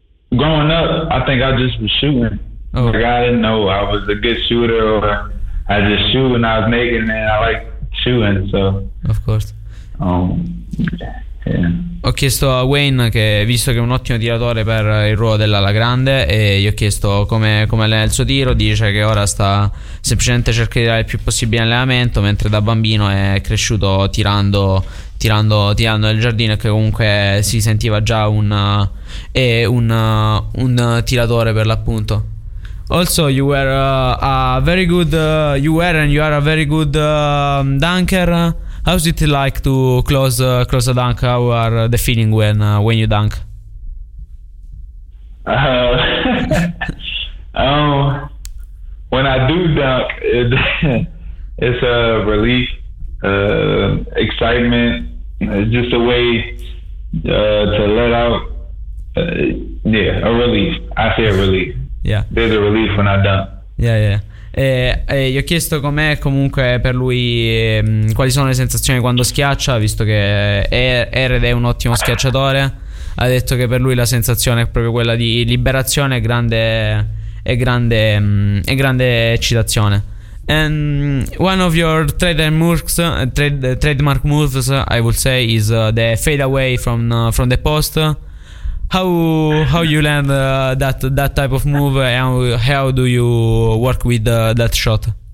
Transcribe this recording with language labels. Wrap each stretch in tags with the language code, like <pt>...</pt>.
<en>Growing up, I think I just was shooting. Oh. Like, I didn't know I was a good shooter, or I just shoot when I was naked, and I like shooting, so... Of course. Yeah.</en> <it>Ho chiesto a Wayne, che visto che è un ottimo tiratore per il ruolo dell'ala grande, e gli ho chiesto come è il suo tiro. Dice che ora sta semplicemente cercando di dare il più possibile allenamento, mentre da bambino è cresciuto tirando nel giardino, e che comunque si sentiva già un tiratore, per l'appunto.</it> <en>Also, you were a very good. You were and you are a very good dunker. How's it like to close a dunk? How are the feeling when you dunk? when I do dunk, it's a relief, excitement. It's just a way to let out. A relief. I say a relief. Yeah. There's a relief when I dunk. Yeah, yeah.</en> <it>Gli ho chiesto com'è comunque per lui, quali sono le sensazioni quando schiaccia, visto che Ered è un ottimo schiacciatore. Ha detto che per lui la sensazione è proprio quella di liberazione e grande eccitazione.</it> <en>And one of your trademark moves, I would say, is the fade away from the post. How you land that type of move, and how do you work with that shot?</en>